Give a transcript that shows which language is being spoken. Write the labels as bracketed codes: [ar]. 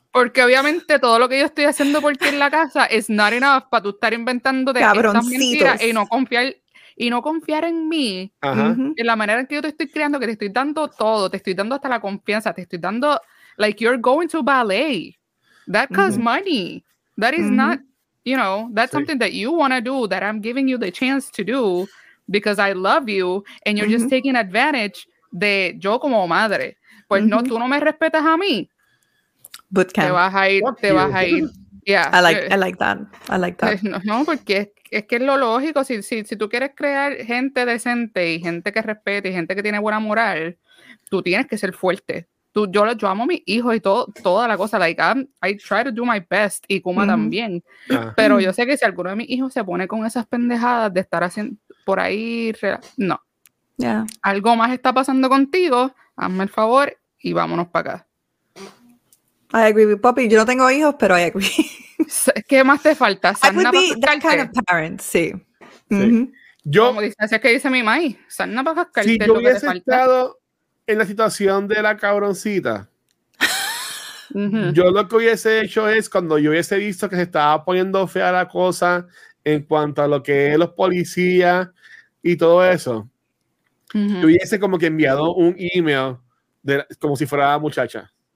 [es] Porque obviamente todo lo que yo estoy haciendo por ti en la casa es [en] not enough [es] para tú estar inventándote estas mentiras y no confiar en mí. Ajá. En la manera en que yo te estoy creando, que te estoy dando todo, te estoy dando hasta la confianza, te estoy dando, [en] like, you're going to ballet. That costs money. That is not, you know, that's something that you want to do, that I'm giving you the chance to do because I love you and you're just taking advantage [es] de yo como madre. Pues no, tú no me respetas a mí. [en] Bootcamp. [es] Te vas a ir. [en] Yeah. I like that. [es] No, porque es que es lo lógico. Si tú quieres crear gente decente y gente que respete y gente que tiene buena moral, tú tienes que ser fuerte. Yo amo a mis hijos y toda la cosa. [en] Like, I try to do my best. [es] Y Kuma también. Uh-huh. Pero yo sé que si alguno de mis hijos se pone con esas pendejadas de estar haciendo por ahí... No. [en] Yeah. [es] Algo más está pasando contigo. Hazme el favor y vámonos para acá. [en] I agree with Poppy. [es] Yo no tengo hijos, pero [en] I agree. [es] ¿Qué más te falta? [en] Sana, I would be that kind of parent, [es] sí. Yo, como dice, así es que dice mi mai. Sana para cascarte. Si yo hubiese estado en la situación de la cabroncita, yo lo que hubiese hecho es, cuando yo hubiese visto que se estaba poniendo fea la cosa en cuanto a lo que es los policías y todo eso, yo hubiese como que enviado un email como si fuera la muchacha.